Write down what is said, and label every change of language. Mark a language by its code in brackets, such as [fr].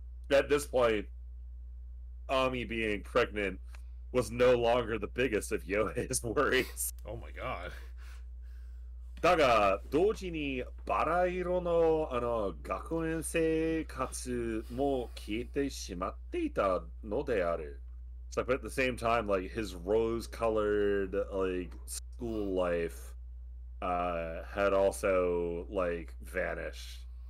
[en] At this point, Ami being pregnant was no longer the biggest of Yohei's worries. Oh my god. [ja] だが、同時にバラ色の学園生活も消えてしまっていたのである. [en] So, but at the same time, like, his rose-colored, like, school life had also, like, vanished.